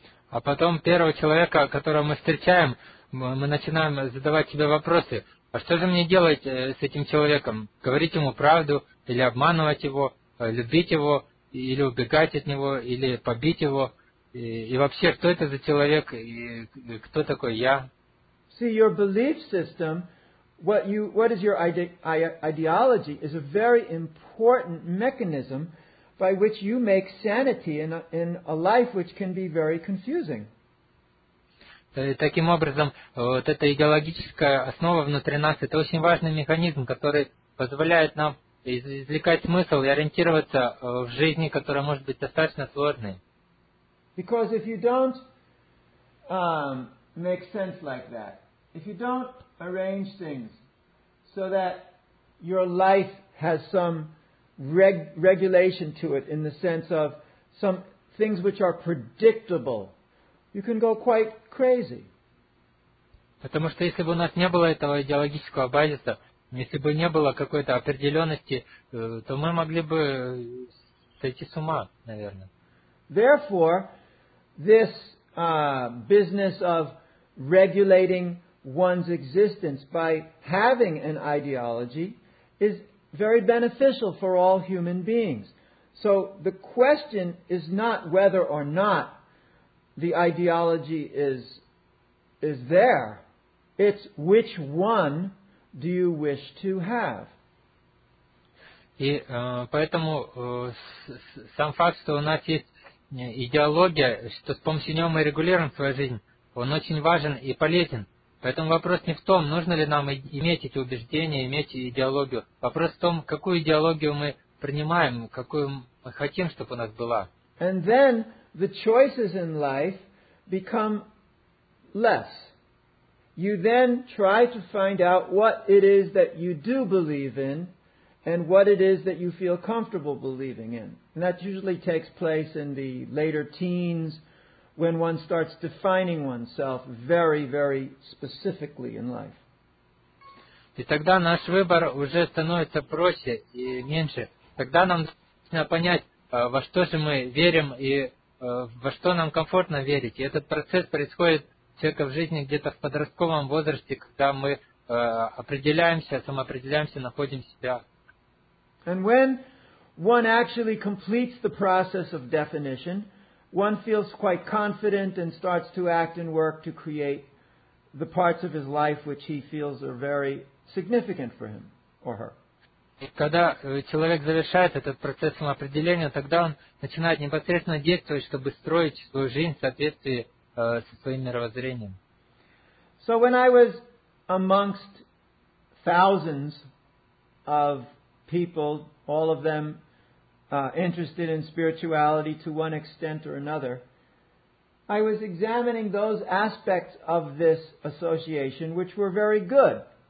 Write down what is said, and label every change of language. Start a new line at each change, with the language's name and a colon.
Russian: А потом первого человека, которого мы встречаем, мы начинаем задавать себе вопросы. А что же мне делать с этим человеком? Говорить ему правду или обманывать его, любить его или убегать от него, или побить его? И вообще, кто это за человек и кто такой я?
English: See, your belief system, what is your ideology, is a very important mechanism by which you make sanity in a life which can be very confusing.
Russian: Таким образом, вот эта идеологическая основа внутри нас – это очень важный механизм, который позволяет нам извлекать смысл и ориентироваться в жизни, которая может быть достаточно сложной.
English: Because if you don't make sense like that, if you don't arrange things so that your life has some regulation to it in the sense of some things which are predictable, you can go quite crazy.
Russian: Потому что если бы у нас не было этого идеологического базиса, если бы не было какой-то определенности, то мы могли бы сойти с ума, наверное.
English: Therefore, this business of regulating one's existence by having an ideology is very beneficial for all human beings. So the question is not whether or not the ideology is there. It's which one do you wish to have?
Russian: И поэтому сам факт, что у нас есть идеология, что с помощью нее мы регулируем свою жизнь, он очень важен и полезен. Поэтому вопрос не в том, нужно ли нам иметь эти убеждения, иметь идеологию. Вопрос в том, какую идеологию мы принимаем, какую мы хотим, чтобы у нас была.
English: And then the choices in life become less. You then try to find out what it is that you do believe in and what it is that you feel comfortable believing in. And that usually takes place in the later teens when one starts defining oneself very, very specifically in life.
Russian: И тогда наш выбор уже становится проще и меньше. Тогда нам нужно понять, во что же мы верим и во что нам комфортно верить. И этот процесс происходит у человека в жизни где-то в подростковом возрасте, когда мы определяемся, самоопределяемся, находим себя.
English: And when one actually completes the process of definition, one feels quite confident and starts to act and work to create the parts of his life which he feels are very significant for him or her.
Russian: Когда человек завершает этот процесс самоопределения, тогда он начинает непосредственно действовать, чтобы строить свою жизнь в соответствии со своим мировоззрением.
English: So when I was amongst thousands of people, all of them interested in spirituality to one extent or another, I was examining those aspects of this association which were very good.